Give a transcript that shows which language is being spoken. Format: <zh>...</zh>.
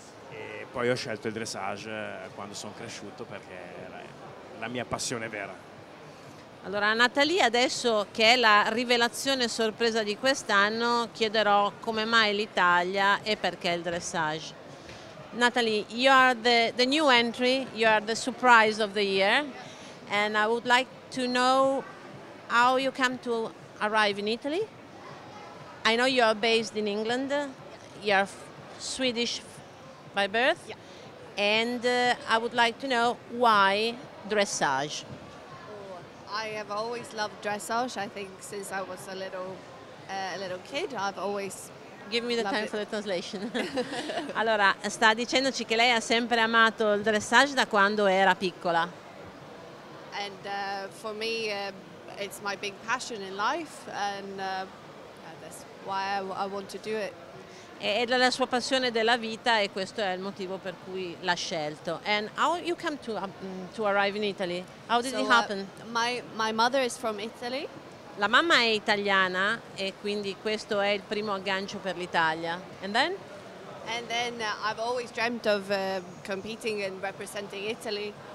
<it>E poi ho scelto il dressage quando sono cresciuto, perché era la mia passione vera. Allora, Nathalie, adesso, che è la rivelazione sorpresa di quest'anno, chiederò come mai l'Italia e perché il dressage.</it> <en>Nathalie, you are the new entry, you are the surprise of the year, and I would like to know how you come to arrive in Italy. I know you are based in England, you are Swedish by birth, and I would like to know why dressage. I have always loved dressage. I think since I was a little kid, I've always. Give me the time for the translation.</en> <it>Allora, sta dicendoci che lei ha sempre amato il dressage da quando era piccola.</it> <en>And for me, it's my big passion in life, and that's why I want to do it.</en> <it>È la sua passione della vita e questo è il motivo per cui l'ha scelto.</it> <en>And how you come to arrive in Italy? How did it happen? My mother is from Italy.</en> <it>La mamma è italiana e quindi questo è il primo aggancio per l'Italia.</it> <en>And then? And then I've always dreamt of competing and representing Italy.</en>